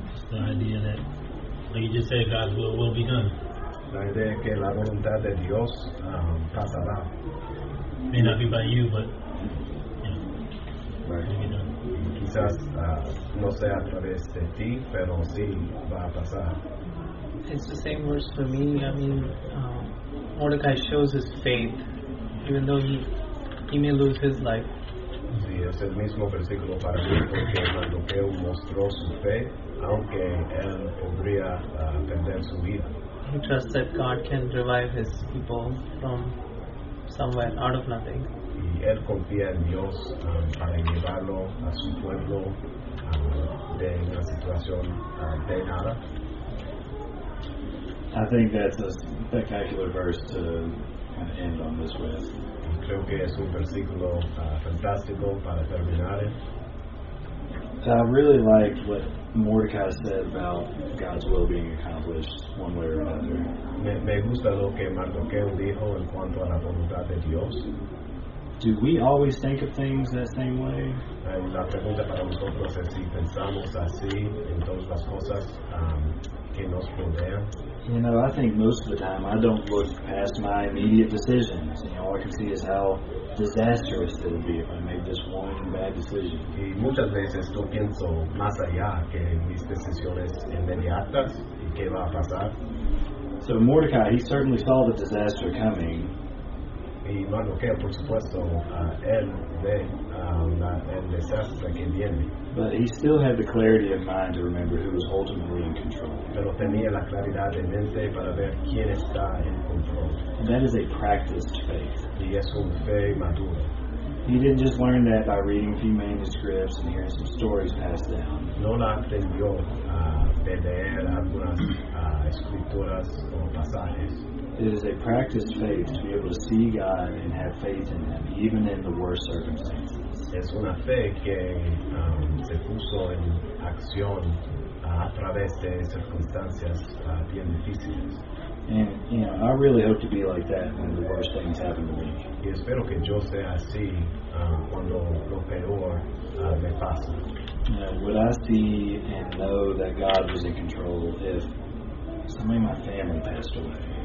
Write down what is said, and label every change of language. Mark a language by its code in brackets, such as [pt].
[en] The idea that, like you just said, God's will be done. [es] La idea que la voluntad de Dios pasará. [en] May not be by you, but yeah, right. Done. [es] Quizás no sea a través de ti, pero sí va a pasar. [en] It's the same words for me. I mean, Mordecai shows his faith, even though he may lose his life. [es] Sí, es el mismo versículo para mí porque Mardoqueo mostró su fe, aunque él podría perder su vida. [en] He trusts that God can revive his people from somewhere out of nothing. [es] Y él confía en Dios para llevarlo a su pueblo de una situación de nada. [en] I think that's a spectacular verse to kind of end on this with. [es] Creo que es un versículo fantástico para terminar. [en] So I really liked what Mordecai said about God's will being accomplished one way or another. [es] Me gusta lo que Mardoqueo dijo en cuanto a la voluntad de Dios. [en] Do we always think of things that same way? [es] La pregunta para nosotros es si pensamos así en todas las cosas que nos rodean. [en] You know, I think most of the time I don't look past my immediate decisions. You know, all I can see is how disastrous it would be if I made this one bad decision. [es] Y muchas veces no pienso más allá que mis decisiones inmediatas y qué va a pasar. [en] So Mordecai, he certainly saw the disaster coming. [es] Y Mardoqueo, por supuesto, él ve desastres que vienen. [en] But he still had the clarity of mind to remember who was ultimately in control. [es] Pero tenía la claridad de mente para ver quién está en control. [en] And that is a practiced faith. [es] Y es una fe madura. [en] He didn't just learn that by reading a few manuscripts and hearing some stories passed down. [es] No la aprendió de leer algunas escrituras o pasajes. [en] It is a practiced faith to be able to see God and have faith in Him, even in the worst circumstances. [es] Es una fe que se puso en acción a través de circunstancias bien difíciles. [en] And, you know, I really hope to be like that when the worst things happen to me. [es] Y espero que yo sea así cuando lo peor me pasa. [en] You know, would I see and know that God was in control if somebody in my family passed away?